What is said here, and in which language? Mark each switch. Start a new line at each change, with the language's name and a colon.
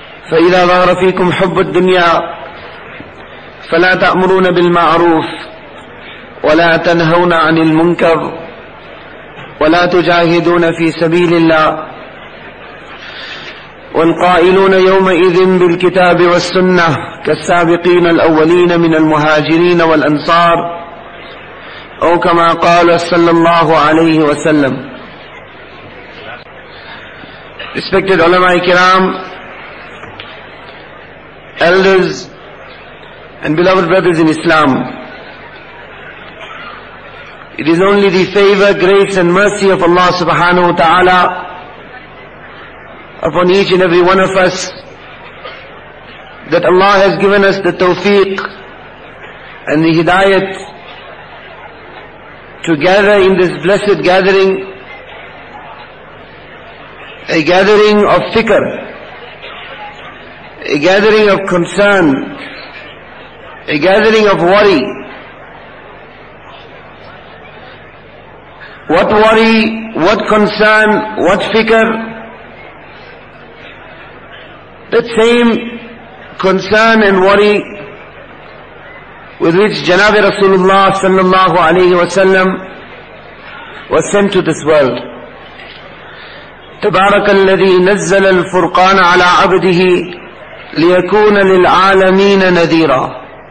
Arabic: فإذا ظهر فيكم حب الدنيا فلا تأمرون بالمعروف ولا تنهون عن المنكر ولا تجاهدون في سبيل الله، والقائلون يومئذ بالكتاب والسنة كالسابقين الأولين من المهاجرين والأنصار، أو كما قال صلى الله عليه وسلم.
English: Respected ulama kiram, elders and beloved brothers in Islam, it is only the favor, grace and mercy of Allah subhanahu wa ta'ala upon each and every one of us that Allah has given us the tawfiq and the hidayat to gather in this blessed gathering, a gathering of fikr, a gathering of concern, a gathering of worry. What worry, what concern, what fikr? That same concern and worry with which Janabi Rasulullah sallallahu alayhi wa sallam was sent to this world.
Arabic: تبارك الذي نزل الفرقان على عبده ليكون للعالمين نذيرا.